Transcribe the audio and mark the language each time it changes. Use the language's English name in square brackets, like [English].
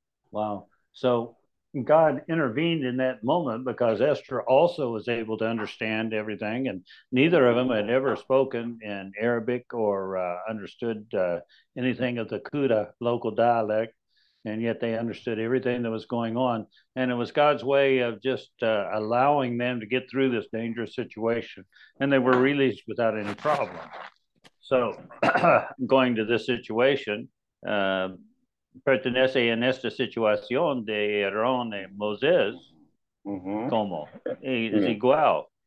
[English] Wow, so God intervened in that moment because Esther also was able to understand everything, and neither of them had ever spoken in Arabic or understood anything of the Kuta local dialect, and yet they understood everything that was going on. And it was God's way of just allowing them to get through this dangerous situation, and they were released without any problem. So going to this situation, [Spanish] pertenece en esta situación de Aarón y Moisés, como es igual.